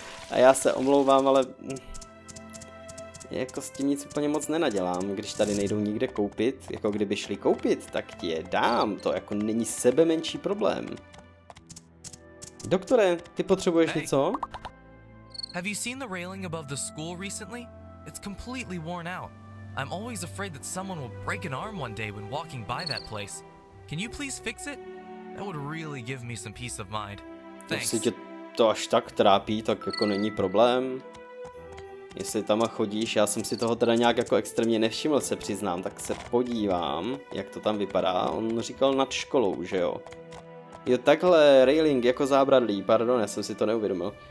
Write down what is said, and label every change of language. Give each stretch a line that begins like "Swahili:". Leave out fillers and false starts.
Czech: A já se omlouvám, ale jako s tím nic úplně moc nenadělám, když tady nejdou nikde koupit, jako kdyby šli koupit, tak ti je dám, to jako není sebe menší problém. Doktore, ty potřebuješ něco?
English: Have you seen the railing above the school recently? It's completely worn out. I'm always afraid that someone will break an arm one day when walking by that place. Can you please fix it? That would really give me some peace of mind. Thanks.
Czech: Jestli tě to až tak trápí, tak jako není problém. Jestli tam chodíš, já jsem si toho teda nějak jako extrémně nevšiml, se přiznám, tak se podívám, jak to tam vypadá. On říkal nad školou, že jo? Jo, takhle, railing jako zábradlí, pardon, já jsem si to neuvědomil.